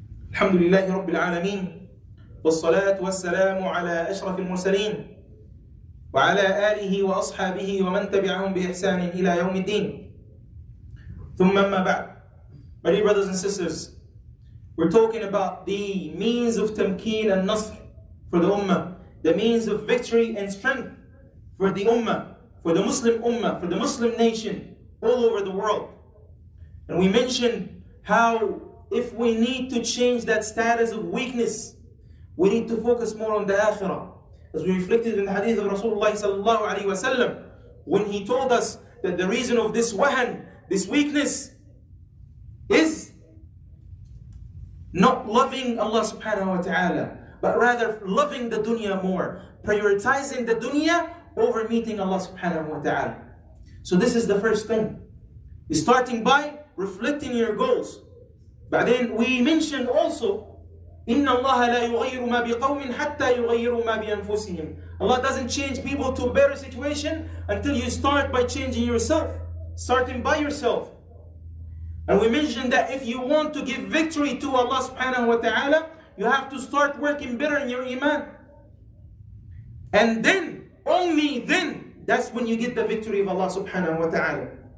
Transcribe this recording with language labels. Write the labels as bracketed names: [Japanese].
[Arabic] الحمد لله رب العالمين والصلاة والسلام على أشرف المرسلين وعلى آله وأصحابه ومن تبعهم بإحسان إلى يوم الدين ثم أما بعد. [English] My dear brothers and sisters, we're talking about the means of تمكين and نصر for the ummah, the means of victory and strength for the ummah, for the Muslim ummah, for the Muslim nation all over the world. And we mentioned how if we need to change that status of weakness, we need to focus more on the Akhirah. As we reflected in the hadith of Rasulullah sallallahu alayhi wa sallam, when he told us that the reason of this wahan, this weakness, is not loving Allah subhanahu wa ta'ala, but rather loving the dunya more, prioritizing the dunya over meeting Allah subhanahu wa ta'ala. So this is the first thing. Starting by reflecting your goals. But then we mentioned also, [Arabic] إِنَّ اللَّهَ لَا يُغَيِّرُ مَا بِقَوْمٍ حَتَّى يُغَيِّرُ مَا بِأَنفُسِهِمْ. [English] Allah doesn't change people to a better situation until you start by changing yourself, starting by yourself. And we mentioned that if you want to give victory to Allah subhanahu wa ta'ala, you have to start working better in your iman. And then, only then, that's when you get the victory of Allah subhanahu wa ta'ala.